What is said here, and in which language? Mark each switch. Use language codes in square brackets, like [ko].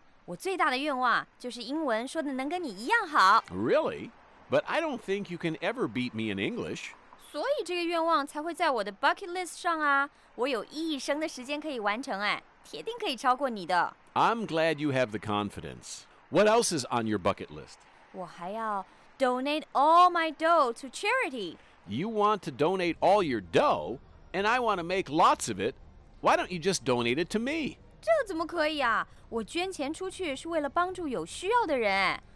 [zh] 我最大的愿望就是英文说的能跟你一样好。 [en] Really? But I don't think you can ever beat me in English. [zh] 所以这个愿望才会在我的 bucket list 上啊，我有一生的时间可以完成哎，铁定可以超过你的。 [en] I'm glad you have the confidence. What else is on your bucket list? [zh] 我还要 [en] donate all my dough to charity. You want to donate all your dough, and I want to make lots of it. Why don't you just donate it to me? [zh] 这怎么可以啊？我捐钱出去是为了帮助有需要的人哎。